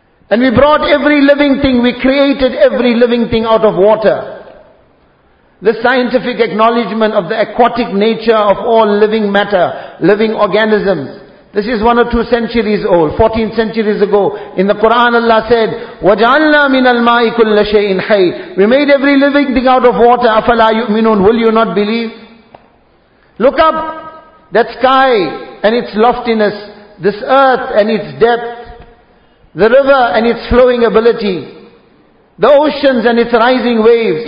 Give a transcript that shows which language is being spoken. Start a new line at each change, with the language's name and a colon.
English: And we brought every living thing, we created every living thing out of water. The scientific acknowledgement of the aquatic nature of all living matter, living organisms, This is one or two centuries old, 14 centuries ago. In the Quran, Allah said,
Arabic: وَجَعَلْنَا مِنَ الْمَاءِ كُلَّ شَيْءٍ حَيٍّ.
English: We made every living thing out of water.
Arabic: أَفَلَا يُؤْمِنُونَ.
English: Will you not believe? Look up that sky and its loftiness, this earth and its depth, the river and its flowing ability, the oceans and its rising waves.